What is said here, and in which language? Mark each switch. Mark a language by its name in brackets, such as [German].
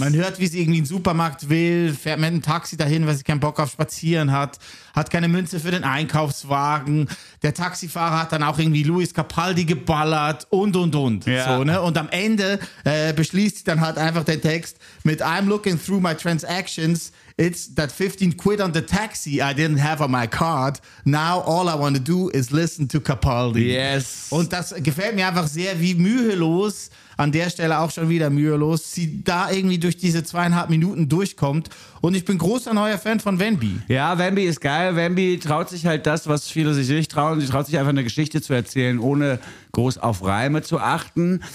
[German] Man hört, wie sie irgendwie in den Supermarkt will, fährt mit einem Taxi dahin, weil sie keinen Bock auf Spazieren hat, hat keine Münze für den Einkaufswagen. Der Taxifahrer hat dann auch irgendwie Luis Capaldi geballert und. Ja. So, ne? Und am Ende beschließt sie dann halt einfach den Text mit [English] I'm looking through my transactions. It's that 15 quid on the taxi I didn't have on my card. Now all I want to do is listen to Capaldi. Yes. [German] Und das gefällt mir einfach sehr, wie mühelos, an der Stelle auch schon wieder mühelos, sie da irgendwie durch diese 2,5 Minuten durchkommt. Und ich bin großer neuer Fan von Wemby. Ja, Wemby ist geil. Wemby traut sich halt das, was viele sich nicht trauen. Sie traut sich einfach eine Geschichte zu erzählen, ohne groß auf Reime zu achten.